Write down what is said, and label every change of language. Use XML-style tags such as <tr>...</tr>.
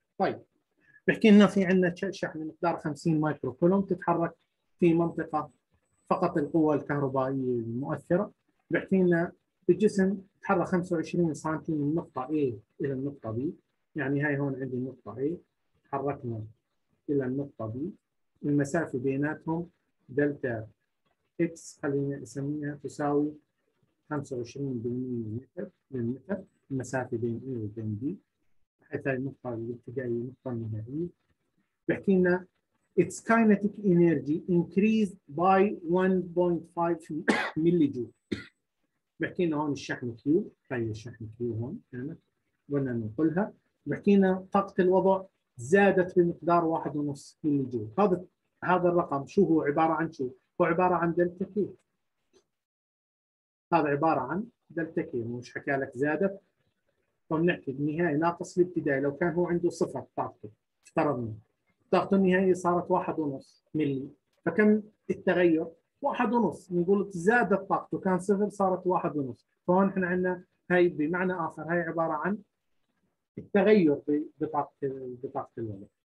<ar>طيب بحكي لنا في عندنا شحن مقدار 50 مايكرو كولوم تتحرك في منطقة فقط القوة الكهربائية المؤثرة، بحكي لنا الجسم تحرك 25 سنتي من نقطة A إلى النقطة B، يعني هاي هون عندي نقطة A تحركنا إلى النقطة B، المسافة بيناتهم دلتا X خلينا نسميها تساوي 25 متر من متر المسافة بين A وبين B، حيث هاي النقطة الابتدائية نقطة نهائية. بحكي لنا</ar> <en>its kinetic energy increased by 1.5 millijoule.</en> <ar>بحكينا هون الشحن كيو، هاي الشحن كيو هون كانت بدنا ننقلها، بحكينا طاقة الوضع زادت بمقدار 1.5 millijoule. هذا الرقم شو هو؟ عبارة عن شو؟ هو عبارة عن دلتا كي، هذا عبارة عن دلتا كي، مش حكى لك زادت، فبنحكي النهاية ناقص الابتدائي، لو كان هو عنده صفر طاقته افترضنا طاقته النهائية صارت 1.5 ملي، فكم التغير؟ 1.5، نقول زادت طاقته كان صفر صارت 1.5، فهون احنا عندنا هاي بمعنى اخر هاي عبارة عن التغير بطاقة الوضع.</ar>